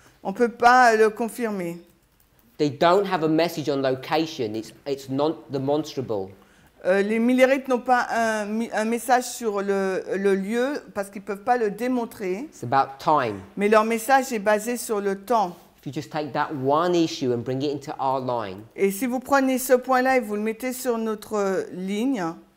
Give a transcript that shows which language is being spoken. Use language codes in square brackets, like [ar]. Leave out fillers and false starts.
[fr] On peut pas le confirmer. [en] They don't have a message on location. It's not demonstrable. [fr] Les millérites n'ont pas un message sur le lieu parce qu'ils peuvent pas le démontrer. [en] It's about time. [fr] Mais leur message est basé sur le temps. [en] If you just take that one issue and bring it into our line. [fr] Et si vous prenez ce point-là et vous le mettez sur notre ligne.